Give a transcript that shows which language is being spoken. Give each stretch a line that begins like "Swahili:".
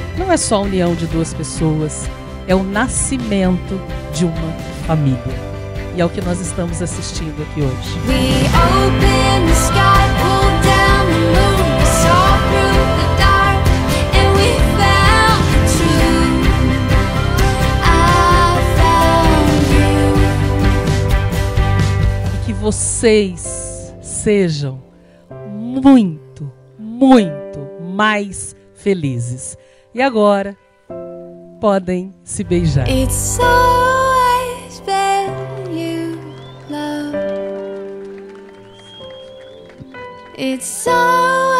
Portuguese: É só a união de duas pessoas, é o nascimento de uma família. E é o que nós estamos assistindo aqui hoje.
English: We open the sky, pull down the moon, saw through the dark, and we found the truth. I found you.
Portuguese: E que vocês sejam muito, muito mais felizes. E agora, podem se beijar.
English: It's always been you, love. It's always...